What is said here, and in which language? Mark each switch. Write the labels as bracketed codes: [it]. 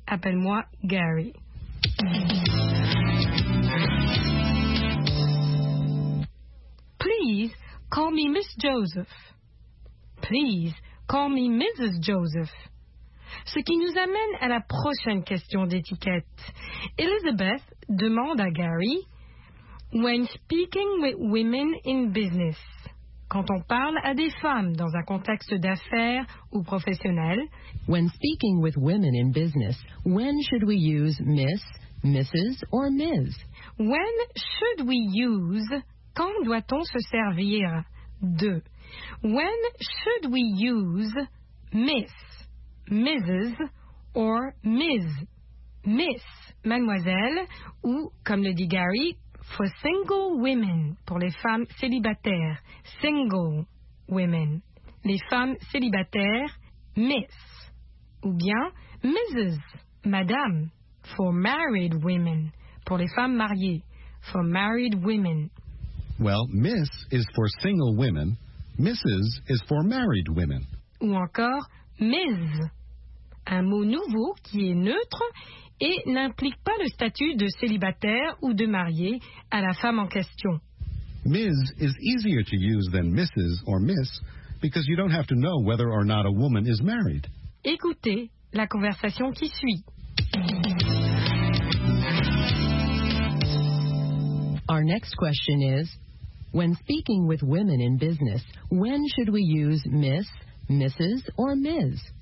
[fr] Appelle-moi Gary. [en] Please call me Miss Joseph. Please call me Mrs. Joseph. [fr] Ce qui nous amène à la prochaine question d'étiquette. Elizabeth demande à Gary, [en] when speaking with women in business. [fr] Quand on parle à des femmes dans un contexte d'affaires ou professionnel. [en] When speaking with women in business, when should we use Miss, Mrs. or Ms? When should we use, [fr] quand doit-on se servir de? [en] When should we use Miss, Mrs. or Ms? [fr] Miss, mademoiselle, ou comme le dit Gary, [en] for single women, [fr] pour les femmes célibataires. [en] Single women, [fr] les femmes célibataires, miss. Ou bien, Mrs., madame, [en] for married women, [fr] pour les femmes mariées. [en] For married women. Well, miss is for single women, Mrs. is for married women. [fr] Ou encore, Ms., un mot nouveau qui est neutre et n'implique pas le statut de célibataire ou de marié à la femme en question. [en] Ms. is easier to use than Mrs. or Miss because you don't have to know whether or not a woman is married. [fr] Écoutez la conversation qui suit. [en] Our next question is, when speaking with women in business, when should we use Miss, Mrs., or Ms.?